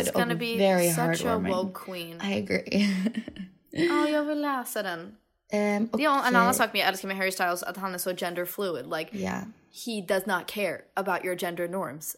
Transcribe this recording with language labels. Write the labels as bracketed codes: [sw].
[en] It's gonna be very such a woke queen. I agree. [sv] Oh, jag vill läsa den. Okay. En annan sak med jag älskar med Harry Styles, att han är så gender fluid. [en] Like, yeah. He does not care about your gender norms.